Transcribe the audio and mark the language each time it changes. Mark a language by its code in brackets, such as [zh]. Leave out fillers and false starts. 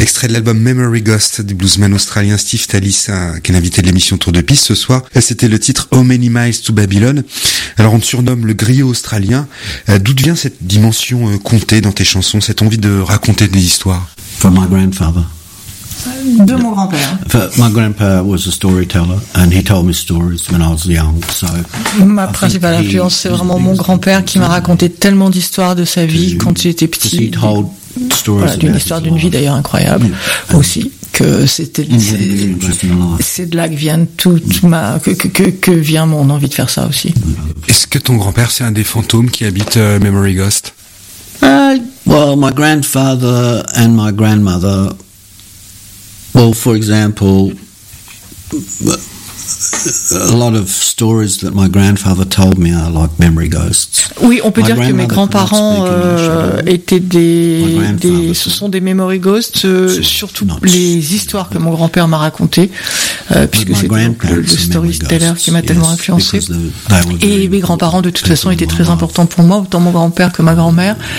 [fr] Extrait de l'album Memory Ghost du bluesman australien Steve Tallis, qui est l'invité de l'émission Tour de Piste ce soir. C'était le titre How Many Miles to Babylon. Alors, on te surnomme le griot australien. D'où vient cette dimension comptée dans tes chansons, cette envie de raconter des histoires? [en] From my grandfather. [fr] De mon grand-père. [en] My grandpa was a storyteller and he told me stories when I was young. So [fr] ma principale influence, c'est vraiment mon grand-père qui m'a raconté tellement d'histoires de sa vie quand j'étais petit. Voilà, d'une histoire d'une vie d'ailleurs incroyable aussi, que c'était c'est de là que vient toute ma que vient mon envie de faire ça aussi. Est-ce que ton grand-père c'est un des fantômes qui habite Memory Ghost? [en] Well, my grandfather and my grandmother. Well, for example, a lot of stories that my grandfather told me are like memory ghosts. [fr] Oui, on peut my dire que mes grands-parents étaient ce sont des memory ghosts, surtout les histoires que mon grand-père m'a racontées, puisque c'est le storyteller qui m'a tellement influencé. Et mes grands-parents, de toute façon, étaient très importants pour moi, autant mon grand-père que ma grand-mère.